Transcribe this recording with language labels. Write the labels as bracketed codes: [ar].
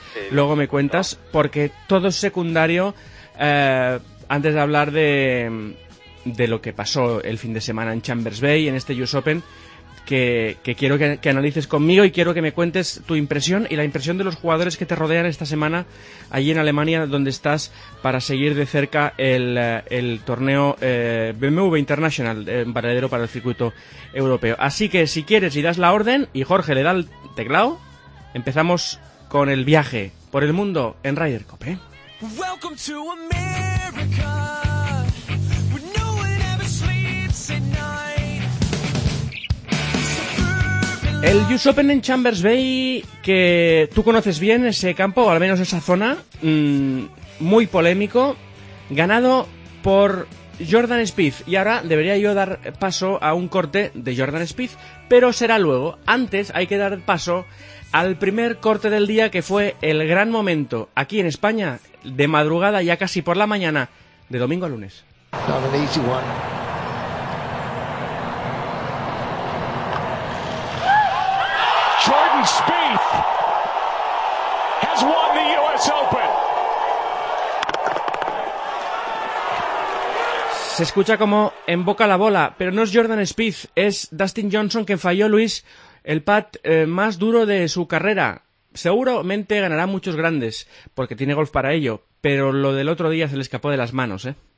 [es] Sí, luego me cuentas, no. Porque todo es secundario. Antes de hablar de lo que pasó el fin de semana en Chambers Bay, en este US Open, que quiero que analices conmigo y quiero que me cuentes tu impresión y la impresión de los jugadores que te rodean esta semana allí en Alemania, donde estás para seguir de cerca el torneo BMW International, en paradero para el circuito europeo. Así que si quieres y das la orden y Jorge le da el teclado, empezamos con el viaje por el mundo en Ryder Cup, ¿eh? [en] Welcome to America, where no one ever sleeps at night. [es] El US Open en Chambers Bay, que tú conoces bien ese campo, o al menos esa zona, muy polémico, ganado por Jordan Spieth. Y ahora debería yo dar paso a un corte de Jordan Spieth, pero será luego. Antes hay que dar paso al primer corte del día, que fue el gran momento aquí en España, de madrugada, ya casi por la mañana, de domingo a lunes. [en] Not an easy one. Jordan Spieth has won the US Open. [es] Se escucha como en boca la bola, pero no es Jordan Spieth, es Dustin Johnson, que falló, Luis, el putt más duro de su carrera. Seguramente ganará muchos grandes, porque tiene golf para ello, pero lo del otro día se le escapó de las manos, ¿eh?